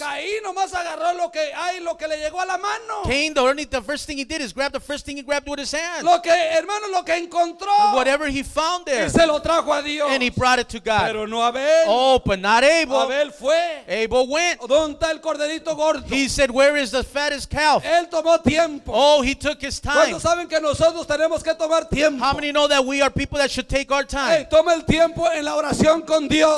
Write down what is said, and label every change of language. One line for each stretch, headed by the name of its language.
Spanish: Caín nomás agarró lo que le llegó a la mano.
English: Cain, the first thing he did is grab the first thing he grabbed with his hand.
Spanish: Lo que, hermano, lo que encontró,
English: whatever he found there,
Spanish: y se lo trajo a Dios,
English: and he brought it to God.
Spanish: Pero no Abel.
English: Oh, but not Abel.
Spanish: Abel fue.
English: Abel went.
Spanish: ¿Dónde está el corderito gordo?
English: He said, where is the fattest calf?
Spanish: Él tomó tiempo.
English: Oh, he took his time.
Spanish: ¿Cuántos saben que nosotros tenemos que tomar tiempo?
English: How many know that we are people that should take our time.
Spanish: Hey, toma el tiempo en la oración con Dios.